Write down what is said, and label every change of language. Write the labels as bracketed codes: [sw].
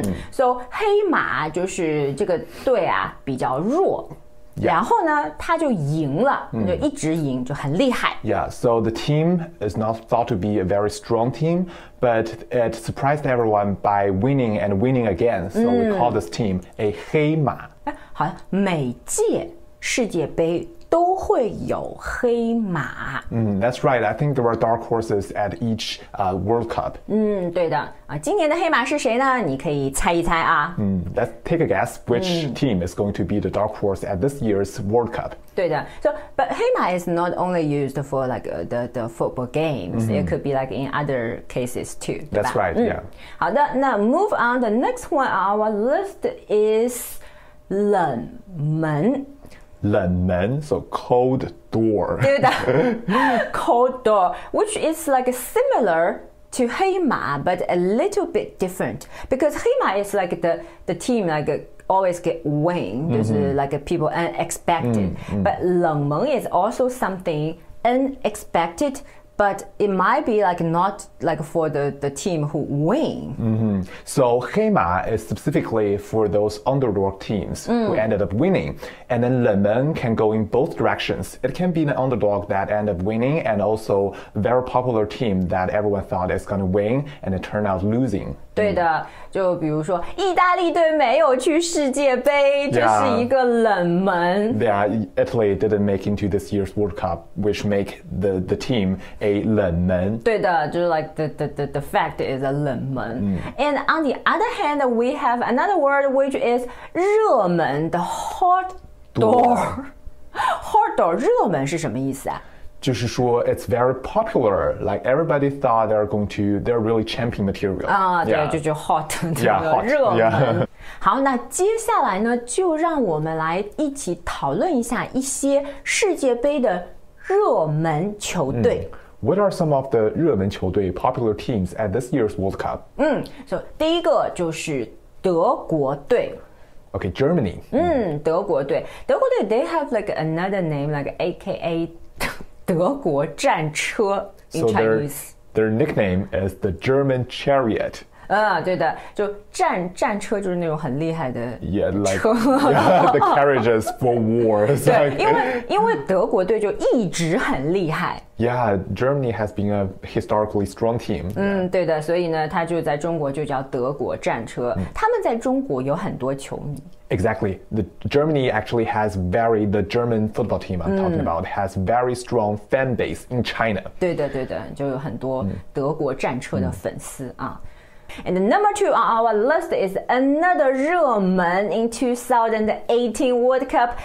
[zh] So 黑马就是这个队啊比较弱。 [en] Yeah. [zh] 然后呢他就赢了就一直赢就很厉害 [en] Yeah, so the team is not thought to be a very strong team But it surprised everyone by winning and winning again So we call this team a 黑马 [zh] 好像每届世界杯都会有黑马 [en] That's right, I think there are dark horses at each World Cup [zh] 对的、今年的黑马是谁呢你可以猜一猜啊、 [en] Let's take a guess which team is going to be the dark horse at this year's World Cup 对的 so, But 黑马 is not only used for like, the football games、It could be like in other cases too That's right, yeah [zh] 好的那 [en] move on, the next one on our list is 冷门冷门 so cold door. 对的 cold door, which is like similar to 黑马 but a little bit different. Because 黑马 is like the team like always get win, 就是like people unexpected. But 冷门 is also something unexpected. But it might be like not like for the team who win. So 黑马 is specifically for those underdog teams who ended up winning. And then 冷门 can go in both directions. It can be an underdog that ended up winning and also very popular team that everyone thought is going to win and it turned out losing. [zh] 对的就比如说意大利队没有去世界杯这是一个冷门 [en] Yeah, Italy didn't make into this year's World Cup which make the team a 冷门 [zh] 对的就是 [en] like the fact is a 冷门、And on the other hand we have another word which is 热门 the hot door Hot door [zh] 热门是什么意思啊就是说 [en] it's very popular, like everybody thought they're going to, they're really champion material. [zh] 啊、对、yeah. 就 hot, 这个热门。好，那接下来呢就让我们来一起讨论一下一些世界杯的热门球队。 [en] What are some of the 热门球队 popular teams at this year's World Cup? [zh] 所以第一个就是德国队。 [en] Okay, Germany. 德国队。德国队 they have like another name, like AKA 德国战车 in Chinese. Their nickname is the German Chariot. [zh] 对的。就战车就是那种很厉害的车。 [en] Yeah, like yeah, the carriages for war. [zh] 对，因为德国队就一直很厉害。 [en] Yeah, Germany has been a historically strong team. [zh] 对的，所以呢，他就在中国就叫德国战车。他们在中国有很多球迷。 [en] Exactly, Germany actually has the German football team I'm talking about has very strong fan base in China. [zh] 对的，对的，就有很多德国战车的粉丝啊。 [en] And number two on our list is another 热门 in 2018 World Cup.